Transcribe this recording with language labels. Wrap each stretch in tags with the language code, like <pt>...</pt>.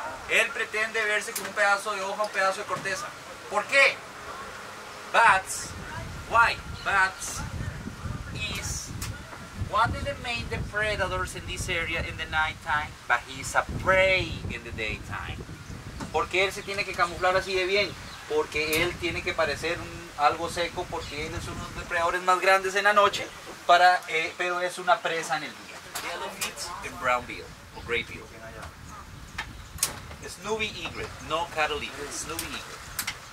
<es>Él pretende verse como un pedazo de hoja, un pedazo de corteza. ¿Por qué?</es> <en>Bats. Why? Bats is one of the main predators in this area in the night time, but he's a prey in the daytime.</en> <es>¿Por qué él se tiene que camuflar así de bien? Porque él tiene que parecer algo seco, porque él es uno de los depredadores más grandes en la noche, pero es una presa en el día.</es> <en>Yellow meats and brown bill, or gray bill. Snooby egret, no cattle egret, sí. Snooby egret.</en>